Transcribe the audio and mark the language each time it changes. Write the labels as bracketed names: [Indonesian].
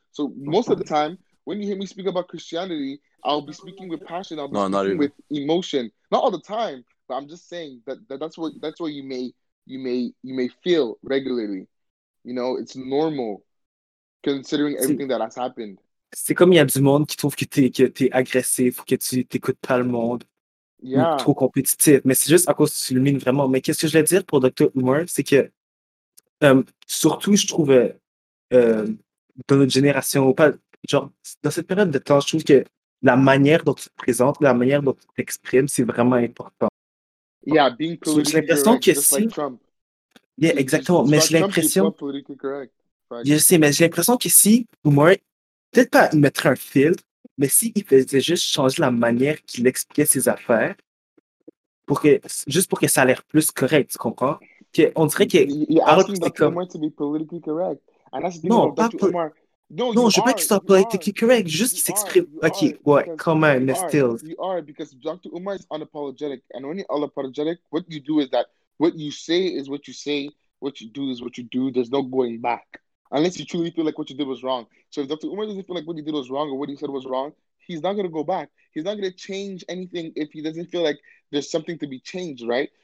[English] So most of the time, when you hear me speak about Christianity, I'll be speaking with passion, speaking with emotion. Not all the time, but I'm just saying that's what you may feel regularly. You know, it's normal, considering everything that has happened. [French] C'est comme il y a du monde qui trouve que t'es agressif, que tu t'écoutes pas le monde, ou trop compétitif. Mais c'est juste à cause que tu illumines vraiment. Mais qu'est-ce que je voulais dire pour Dr. Umar, c'est que surtout, je trouve dans notre génération, ou pas, genre, dans cette période de temps, je trouve que la manière dont tu te présentes, la manière dont tu t'exprimes, c'est vraiment important. [English] Yeah, being politically correct. [French] J'ai l'impression que si. Yeah, exactement. Mais j'ai l'impression. Je sais, mais j'ai l'impression que si Umar. Peut-être pas mettre un filtre, mais s'il faisait juste changer la manière qu'il expliquait ses affaires, pour que ça a l'air plus correct, tu comprends? On dirait que. [English] You're asking Dr. Umar to be politically correct. And that's the Umar. [French] Non, je veux pas qu'il soit [English] politically correct, [French] juste qu'il s'exprime. Ok, ouais, quand même, mais still. [English] You are, because Dr. Umar is unapologetic. And when you're unapologetic, what you do is that what you say is what you say, what you do is what you do, there's no going back. Unless you truly feel like what you did was wrong. So if Dr. Umar doesn't feel like what he did was wrong or what he said was wrong, he's not going to go back. He's not going to change anything if he doesn't feel like there's something to be changed, right?